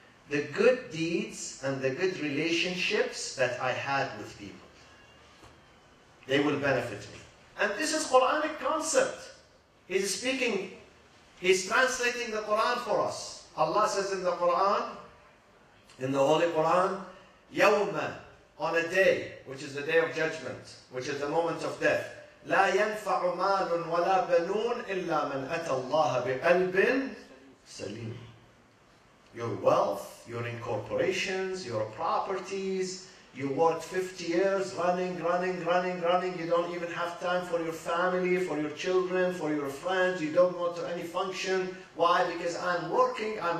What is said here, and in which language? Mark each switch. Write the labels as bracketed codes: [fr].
[en] The good deeds and the good relationships that I had with people. They will benefit me. And this is a Quranic concept. He's speaking, he's translating the Quran for us. Allah says in the Quran, in the Holy Quran, يَوْمًا. On a day, which is the day of judgment, which is the moment of death. [ar] لا ينفع مال ولا بنون إلا من أتى الله بقلب سليم. [en] Your wealth, your incorporations, your properties, You worked 50 years running. You don't even have time for your family, for your children, for your friends. You don't go to any function. Why? Because I'm working.